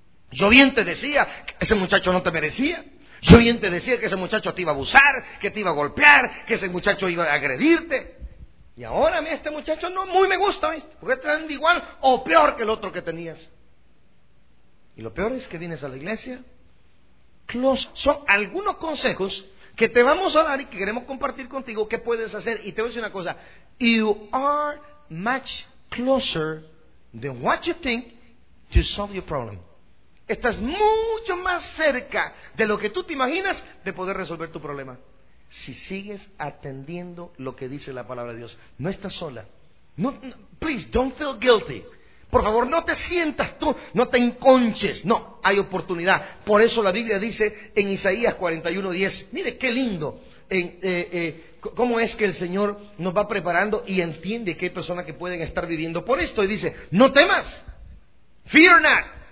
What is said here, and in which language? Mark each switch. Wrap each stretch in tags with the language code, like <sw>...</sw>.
<es>Yo bien te decía que ese muchacho no te merecía, yo bien te decía que ese muchacho te iba a abusar, que te iba a golpear, que ese muchacho iba a agredirte. Y ahora a mí este muchacho no muy me gusta, ¿viste? Porque te dan igual o peor que el otro que tenías. Y lo peor es que vienes a la iglesia. Son algunos consejos que te vamos a dar y que queremos compartir contigo qué puedes hacer. Y te voy a decir una cosa.</es> <en>You are much closer than what you think to solve your problem.</en> <es>Estás mucho más cerca de lo que tú te imaginas de poder resolver tu problema. Si sigues atendiendo lo que dice la palabra de Dios. No estás sola.</es> <en>No, please, don't feel guilty.</en> <es>Por favor, no te sientas tú, no te enconches. No, hay oportunidad. Por eso la Biblia dice en Isaías 41:10. Mire qué lindo. ¿Cómo es que el Señor nos va preparando y entiende que hay personas que pueden estar viviendo por esto? Y dice, no temas.</es> <en>Fear not.</en>